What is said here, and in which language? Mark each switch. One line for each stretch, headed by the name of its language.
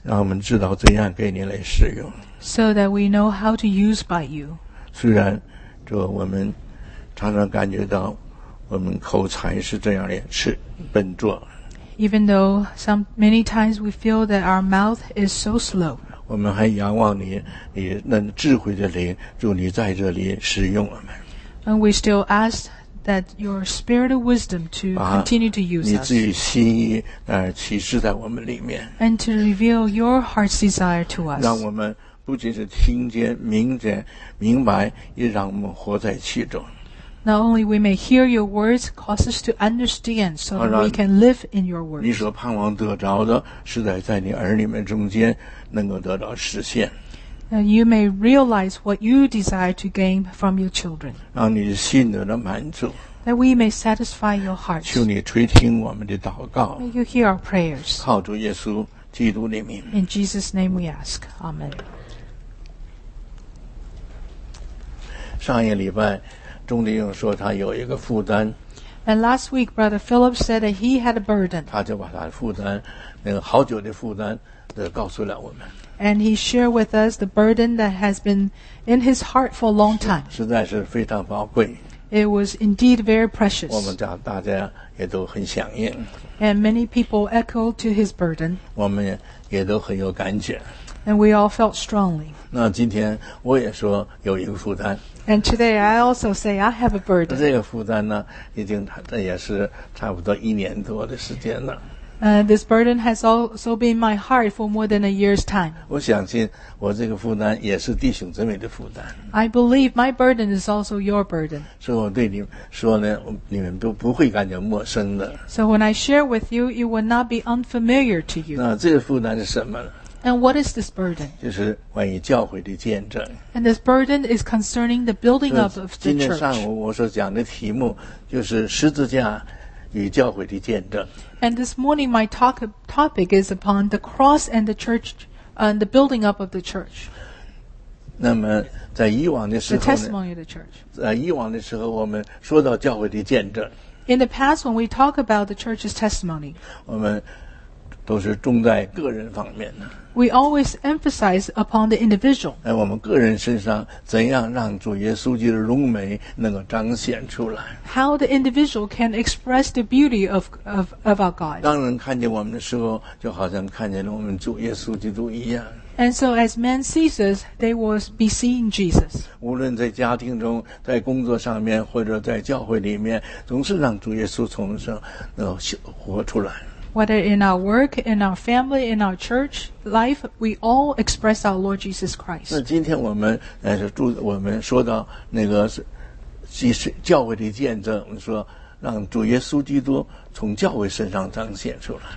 Chinese: 让我们知道怎样给你来使用
English: so that we know how to use by you.
Chinese: 虽然这我们常常感觉到我们口才是这样的是笨拙
English: Even though many times we feel that our mouth is so slow.
Chinese: 我们还仰望你你那智慧的灵祝你在这里使用我们
English: And we still ask that your spirit of wisdom to continue to use us.
Chinese: 你自己心意启示在我们里面。
English: And to reveal your heart's desire to us.
Chinese: 让我们不仅是听见、明见、明白，也让我们活在其中。
English: Not only we may hear your words, cause us to understand so that we can live in your words.
Chinese: 你所盼望得着的，是在你儿女们中间能够得到实现。
English: And you may realize what you desire to gain from your children.
Chinese: 让你心得了满足。
English: That we may satisfy your hearts.
Chinese: 求你垂听我们的祷告。
English: May you hear our prayers.
Chinese: 靠主耶稣基督的名。
English: In Jesus' name we ask. Amen.
Chinese: 上一礼拜，钟弟兄说他有一个负担。
English: And last week, Brother Philip said that he had a burden.
Chinese: 他就把他的负担，那个好久的负担，告诉了我们。
English: And he shared with us the burden that has been in his heart for a long time.
Chinese: 实在是非常宝贵。
English: It was indeed very precious.
Chinese: 我们大家也都很响应。
English: And many people echoed to his burden.
Chinese: 我们也都很有感觉。
English: And we all felt strongly.
Chinese: 那今天我也说有一个负担。
English: And today I also say I have a burden.
Chinese: 这个负担呢，已经这也是差不多一年多的时间了。
English: This burden has also been my heart for more than a year's time.
Chinese: 我相信我这个负担也是弟兄姊妹的负担。
English: I believe my burden is also your burden.
Chinese: 所以我对你说呢，你们都不会感觉陌生的。
English: So when I share with you, it will not be unfamiliar to you.
Chinese: 那这个负担是什么呢
English: And what is this burden?
Chinese: 就是关于教会的见证。
English: And this burden is concerning the building up of the church.
Chinese: 今天上午我所讲的题目就是十字架与教会的见证。
English: And this morning my topic is upon the cross and the church and the building up of the church.
Chinese: 那么在以往的时候呢
English: The testimony of the church.
Chinese: 在以往的时候我们说到教会的见证。
English: In the past, when we talk about the church's testimony,
Chinese: 我们都是重在个人方面的。
English: We always emphasize upon the individual.
Chinese: 在我们个人身上，怎样让主耶稣基督的荣美能够彰显出来
English: ？How the individual can express the beauty of our God?
Chinese: 当人看见我们的时候，就好像看见了我们主耶稣基督一样。
English: And so as man sees us, they will be seeing Jesus.
Chinese: 无论在家庭中，在工作上面，或者在教会里面，总是让主耶稣从身能活出来。
English: Whether in our work, in our family, in our church life, we all express our Lord Jesus Christ.
Chinese: 那今天我们我们说到那个教会的见证，我们说让主耶稣基督从教会身上彰显出来。